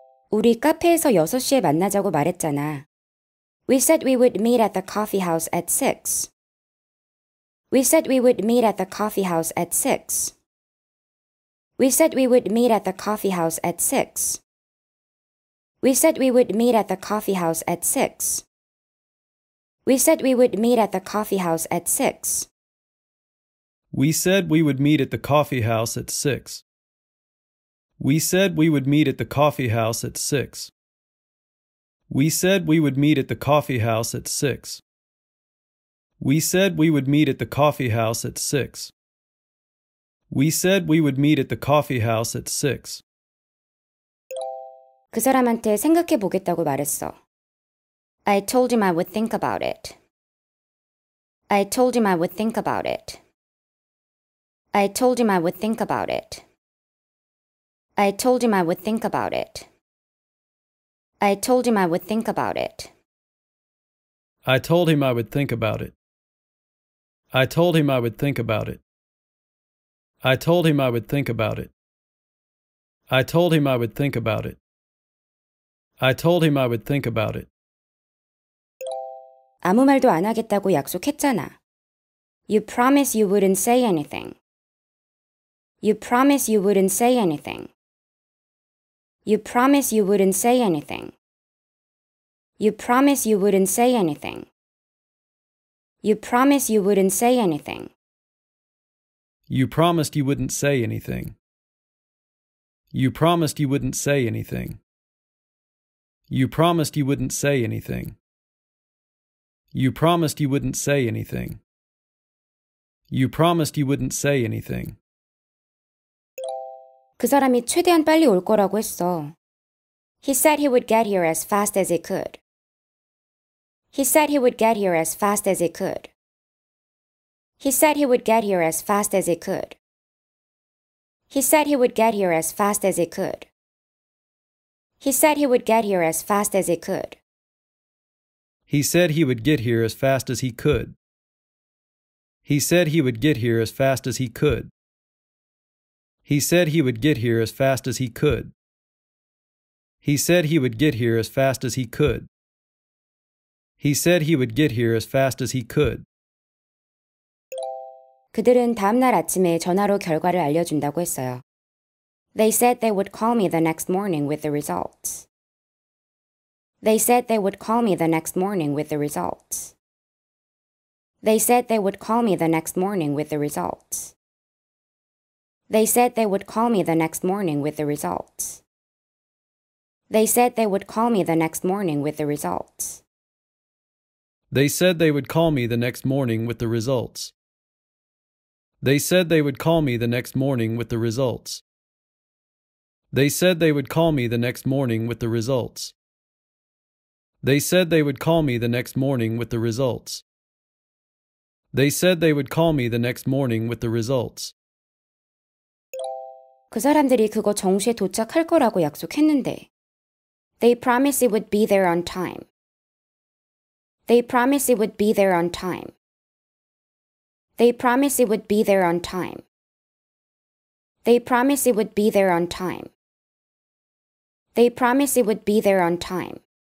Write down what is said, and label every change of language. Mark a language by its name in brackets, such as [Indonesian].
[Korean] 우리 카페에서 6시에 만나자고 말했잖아. [English] We said we would meet at the coffee house at 6. We said we would meet at the coffee house at 6. We said we would meet at the coffee house at 6. We said we would meet at the coffee house at 6. We said we would meet at the coffee house at 6. We said we would meet at the coffee house at 6. We said we would meet at the coffee house at 6. We said we would meet at the coffee house at 6. We said we would meet at the coffee house at 6. We said we would meet at the coffee house at 6. [Korean] 그 사람한테 생각해 보겠다고 말했어. [English] I told him I would think about it. I told him I would think about it. I told him I would think about it. I told him I would think about it. I told him I would think about it. I told him I would think about it. I told him I would think about it. I told him I would think about it. I told him I would think about it. I told him I would think about it. [Korean] 아무 말도 안 하겠다고 약속했잖아. [English] You promised you wouldn't say anything. You promised you wouldn't say anything. You promised you wouldn't say anything. You promised you wouldn't say anything. You promised you wouldn't say anything. You promised you wouldn't say anything. You promised you wouldn't say anything. You promised you wouldn't say anything. You promised you wouldn't say anything. You promised you wouldn't say anything. [Korean] 그 사람이 최대한 빨리 올 거라고 했어. [English] He said he would get here as fast as he could. He said he would get here as fast as he could. He said he would get here as fast as he could. He said he would get here as fast as he could. He said he would get here as fast as he could. He said he would get here as fast as he could. He said he would get here as fast as he could. He said he would get here as fast as he could. He said he would get here as fast as he could. He said he would get here as fast as he could. [Korean] 그들은 다음 날 아침에 전화로 결과를 알려준다고 했어요. [English] They said they would call me the next morning with the results. They said they would call me the next morning with the results. They said they would call me the next morning with the results. They said they would call me the next morning with the results. They said they would call me the next morning with the results. They said they would call me the next morning with the results. They said they would call me the next morning with the results. They said they would call me the next morning with the results. They said they would call me the next morning with the results. They said they would call me the next morning with the results. [Korean] 그 사람들이 그거 정시에 도착할 거라고 약속했는데. [English] They promised it would be there on time. They promised it would be there on time. They promised it would be there on time. They promised it would be there on time. They promised it would be there on time.